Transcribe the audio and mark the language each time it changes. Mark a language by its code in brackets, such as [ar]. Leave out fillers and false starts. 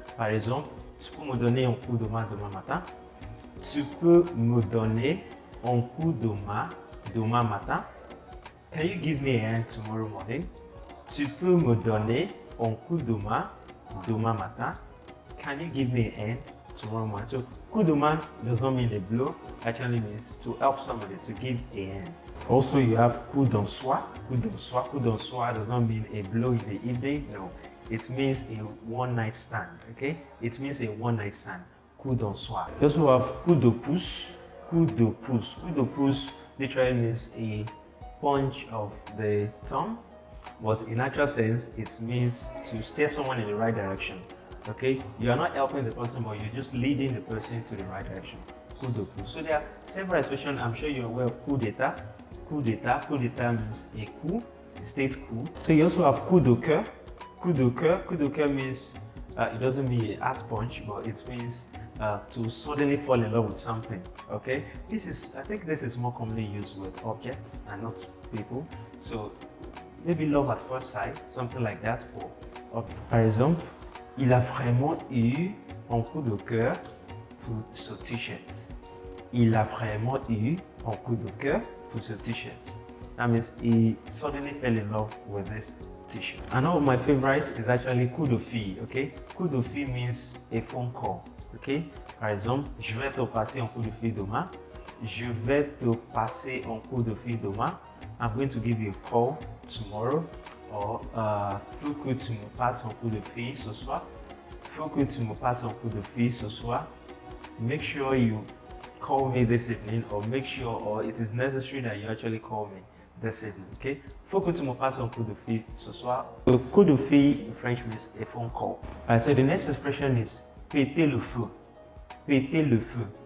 [fr] Par exemple, tu peux me donner un coup de main demain matin? Tu peux me donner un coup de main demain matin? [en] Can you give me a hand tomorrow morning? [fr] Tu peux me donner un coup de main demain matin? [en] Can you give me a hand tomorrow morning? So, coup de main does not mean a blow. Actually means to help somebody, to give a hand. Also, you have coup d'ensoir. Coup d'ensoir. Coup d'ensoir does not mean a blow in the evening. No, it means a one-night stand. Okay? It means a one-night stand. Coup d'ensoir. You also have coup de pouce. Coup de pouce. Coup de pouce literally means a punch of the thumb. But in actual sense, it means to steer someone in the right direction. Okay, you are not helping the person, but you're just leading the person to the right direction. Coup de coup. So there are several expressions. I'm sure you're aware of coup d'état. Coup d'état. Coup d'état means a coup, state coup. So you also have coup de cœur. Coup de cœur. Coup de cœur means it doesn't mean a heart punch, but it means to suddenly fall in love with something. Okay, I think this is more commonly used with objects and not people. So maybe love at first sight, something like that for objects. For example, [fr] il a vraiment eu un coup de cœur pour ce t-shirt. Il a vraiment eu un coup de cœur pour ce t-shirt. [en] That means he suddenly fell in love with this t-shirt. And one of my favorites is actually coup de fil. Okay, coup de fil means a phone call. [fr] Okay, par exemple, je vais te passer un coup de fil demain. Je vais te passer un coup de fil demain. [en] I'm going to give you a call tomorrow. [fr] Or faut que tu me passes un coup de fil ce soir. Faut que tu me passes un coup de fil ce soir. [en] Make sure you call me this evening, or make sure, or it is necessary that you actually call me this evening. [fr] Okay? Faut que tu me passes un coup de fil ce soir. Le coup de fil [en] in French means a phone call. Alright, so the next expression is péter le feu. Péter le feu.